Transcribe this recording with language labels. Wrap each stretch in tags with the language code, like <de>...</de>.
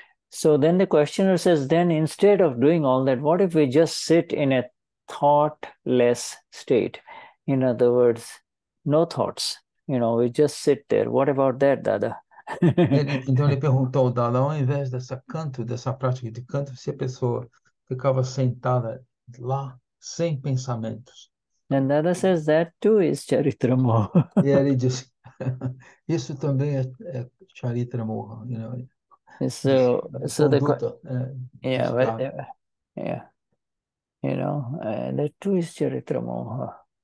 <en>So then the questioner says, then instead of doing all that, what if we just sit in a thoughtless state? In other words, no thoughts, you know, we just sit there. What about that, Dada?</en> <pt>Então ele perguntou ao Dada, ao invés dessa canto, dessa prática de canto, se a pessoa ficava sentada lá, sem pensamentos.</pt> <en>And Dada says that too is charitra moha.</en> <pt>E ele disse, isso também é charitra moha,</pt> <en>you know. So</en> <pt>conduta,</pt> <en>the You know, that too is charitra moha.</en>